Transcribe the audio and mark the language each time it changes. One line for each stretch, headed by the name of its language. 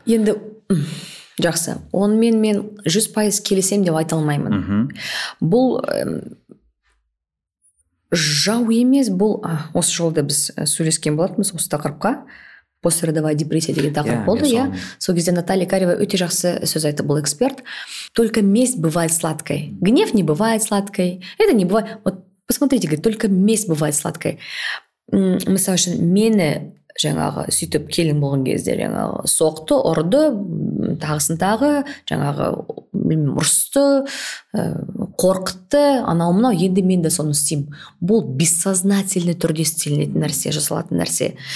Kazakh: Енді жақсы, онымен мен 100% келесем деп айта алмаймын. Бұл жау емес, бұл осы жолда біз сөйлескен болатынбыз осы тақырыпқа. Постеродовая депрессия деген тақырып болды, иә. Сол кезде Наталья Карева өте жақсы сөз айтты, бұл эксперт.
Russian: Только месть бывает сладкой. Гнев не бывает сладкой. Это не бывает. Вот посмотрите, говорит, только месть бывает сладкой.
Kazakh: Мысал үшін, мені жаңағы сөйтіп келін болған кезде жаңағы соқты, ұрды, тағысын тағы жаңағы ұрысты, қорқытты, анау мынау, енді мен де соны істеймін. Бұл бессознательный түрде істелінетін нәрсе, жасалатын нәрсе.